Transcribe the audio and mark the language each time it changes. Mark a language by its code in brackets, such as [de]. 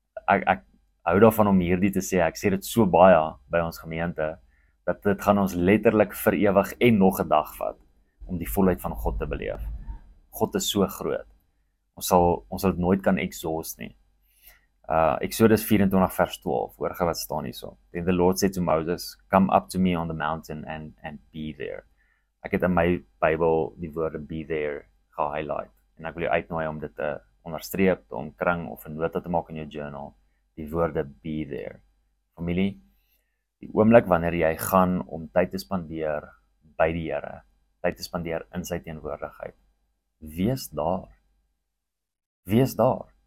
[af] Ek hou daarvan om hierdie te sê, ek sê dit so baie by ons gemeente, dat dit gaan ons letterlik vir ewig en nog 'n dag vat, om die volheid van God te beleef. God is so groot. Ons sal dit nooit kan exhaust nie. Exodus 24 vers 12, hoor gij wat staan hier so. [en] Then the Lord said to Moses, come up to me on the mountain and be there. [af] Ek het in my Bybel die woorde [en] be there [af] gehighlight, en ek wil jou uitnooi om dit te onderstreep, te omkring of 'n nota te maak in jou journal, die woorde be there. Familie, die oomblik wanneer jy gaan om tyd te spandeer by die Here, tyd te spandeer in sy teenwoordigheid, wees daar.